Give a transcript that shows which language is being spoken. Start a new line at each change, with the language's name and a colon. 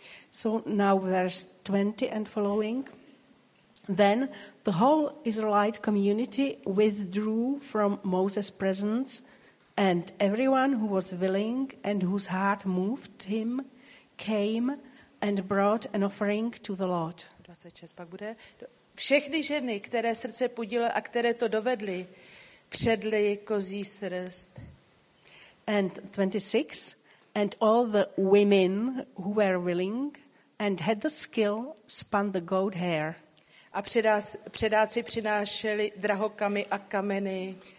English: So now verse 20 and following. Then the whole Israelite community withdrew from Moses' presence and everyone who was willing and whose heart moved him came and brought an offering to the Lord.
Czech: 26. Pak bude. Všechny ženy, které srdce pudilo a které to dovedly, předly kozí srst.
English: And 26, and all the women who were willing and had the skill spun the goat hair.
Czech: A předáci přinášeli drahokamy a kameny.